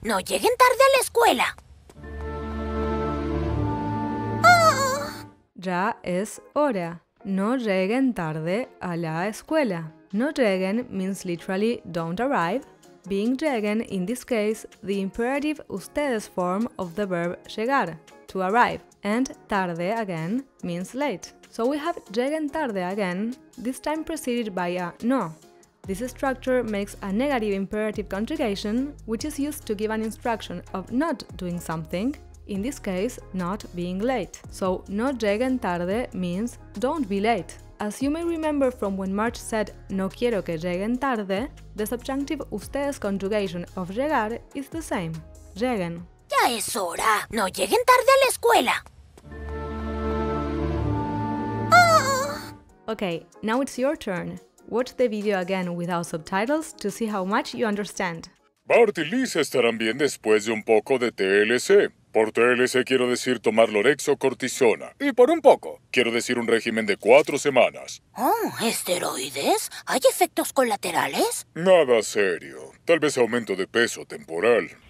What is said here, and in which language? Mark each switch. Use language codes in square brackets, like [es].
[es] No lleguen tarde a la escuela. Ya es hora. No lleguen tarde a la escuela. No lleguen [en] means literally don't arrive. Being lleguen, in this case, the imperative ustedes form of the verb llegar, to arrive, and tarde again means late. So we have [es] lleguen tarde [en] again, this time preceded by a no. This structure makes a negative imperative conjugation, which is used to give an instruction of not doing something, in this case, not being late. So [es] no lleguen tarde [en] means don't be late. As you may remember from when Marge said [es] no quiero que lleguen tarde, [en] the subjunctive ustedes conjugation of llegar is the same. Lleguen. [es] Ya es hora. No lleguen tarde a la escuela. [en] Okay, now it's your turn. Watch the video again without subtitles to see how much you understand. [es] Bart y Lisa estarán bien después de un poco de TLC. Por TLC quiero decir tomar lorexocortisona. Y por un poco, quiero decir un régimen de 4 semanas. Oh, ¿esteroides? ¿Hay efectos colaterales? Nada serio. Tal vez aumento de peso temporal.